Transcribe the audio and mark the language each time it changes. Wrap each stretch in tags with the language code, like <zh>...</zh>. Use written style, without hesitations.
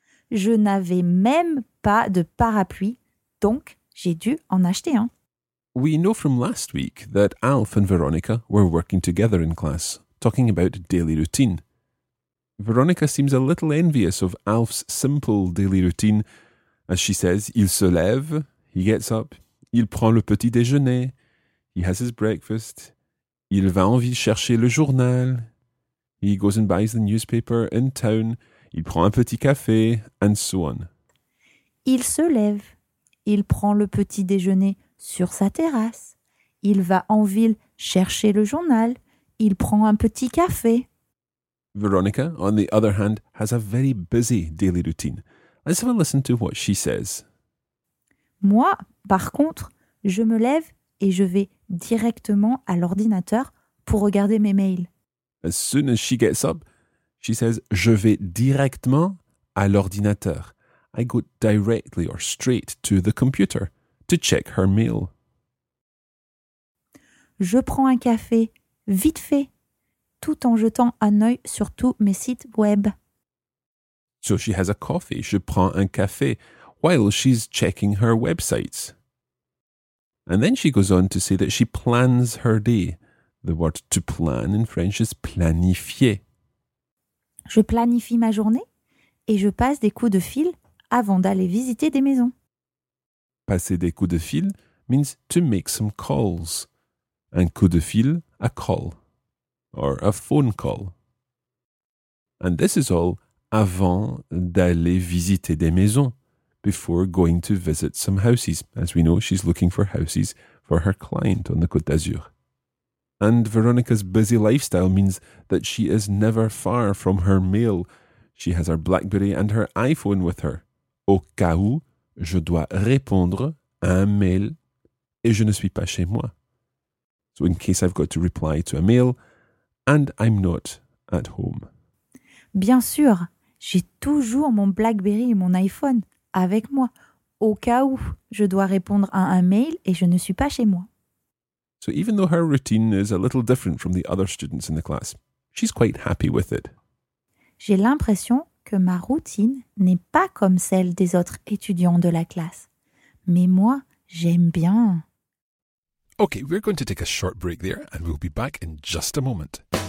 <fr>Je n'avais même pas de parapluie, donc j'ai dû en acheter un.</fr> <en>We know from last week that Alf and Veronica were working together in class, talking about daily routine. Veronica seems a little envious of Alf's simple daily routine. As she says,</en> <fr>il se lève,</fr> <en>he gets up,</en> <fr>il prend le petit déjeuner,</fr> <en>he has his breakfast,</en> <fr>il va en ville chercher le journal,</fr> <en>he goes and buys the newspaper in town,</en> <fr>il prend un petit café,</fr> <en>and so on.</en> <fr>Il se lève, il prend le petit déjeuner sur sa terrasse, il va en ville chercher le journal, il prend un petit café.</fr> <en>Veronica, on the other hand, has a very busy daily routine. Let's have a listen to what she says.</en> <fr>Moi, par contre, je me lève et je vais directement à l'ordinateur pour regarder mes mails.</fr> <en>As soon as she gets up, she says,</en> <fr>je vais directement à l'ordinateur.</fr> <en>I go directly or straight to the computer to check her mail.</en> <fr>Je prends un café, vite fait, tout en jetant un œil sur tous mes sites web.</fr> <en>So she has a coffee,</en> <fr>je prends un café,</fr> <en>while she's checking her websites. And then she goes on to say that she plans her day. The word to plan in French is planifier.</en> <fr>Je planifie ma journée et je passe des coups de fil avant d'aller visiter des maisons. Passer des coups de fil</fr> <en>means to make some calls.</en> <fr>Un coup de fil,</fr> <en>a call, or a phone call. And this is all</en> <fr>avant d'aller visiter des maisons,</fr> <en>before going to visit some houses. As we know, she's looking for houses for her client on the Côte d'Azur. And Veronica's busy lifestyle means that she is never far from her mail. She has her BlackBerry and her iPhone with her.</en> <fr>Au cas où, je dois répondre à un mail et je ne suis pas chez moi.</fr> <en>So in case I've got to reply to a mail and I'm not at home.</en> <fr>Bien sûr. J'ai toujours mon BlackBerry et mon iPhone avec moi, au cas où je dois répondre à un mail et je ne suis pas chez moi.</fr> <en>So even though her routine is a little different from the other students in the class, she's quite happy with it.</en> <fr>J'ai l'impression que ma routine n'est pas comme celle des autres étudiants de la classe. Mais moi, j'aime bien.</fr> <en>Okay, we're going to take a short break there and we'll be back in just a moment.</en>